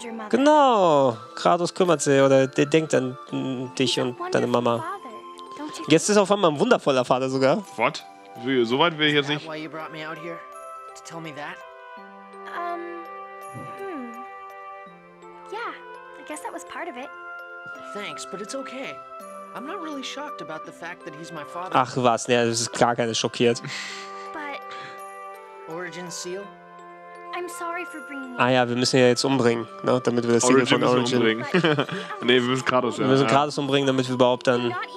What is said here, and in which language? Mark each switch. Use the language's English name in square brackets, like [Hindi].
[German] Genau, Kratos kümmert sich oder der denkt an dich und deine Mama. Jetzt ist auf einmal ein wundervoller Vater sogar. [English] What? [German] So weit will ich jetzt nicht. [English] Why you brought me out here? To tell me that? Yeah, I guess that was part of it. Thanks, but it's okay. I'm not really shocked about the fact that he's my father. [German] Ach was, ne, das ist gar keine schockiert. [English] But Origin Seal? I'm sorry for bringing [German] you. Ah ja, wir müssen ja jetzt umbringen, ne, damit wir das Siegel von Origin. Umbringen. Ne, wir müssen Kratos, ja. Wir müssen Kratos umbringen, damit wir überhaupt dann.